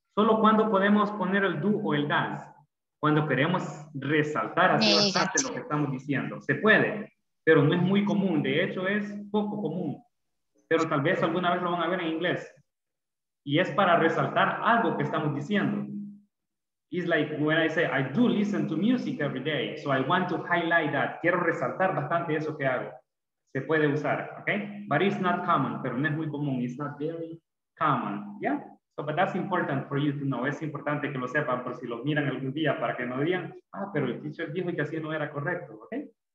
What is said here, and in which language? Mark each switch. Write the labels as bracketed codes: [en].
[es] Solo cuando podemos poner el do o el does, cuando queremos resaltar así bastante lo que estamos diciendo. Se puede, pero no es muy común. De hecho, es poco común. Pero tal vez alguna vez lo van a ver en inglés. Y es para resaltar algo que estamos diciendo. [en] It's like when I say, I do listen to music every day, so I want to highlight that. [es] Quiero resaltar bastante eso que hago. Se puede usar, okay? [en] But it's not common, [es] pero no es muy común. [en] It's not very common, yeah? So, but that's important for you to know. [es] Es importante que lo sepan por si lo miran algún día para que no digan, ah, pero el teacher dijo que así no era correcto, okay?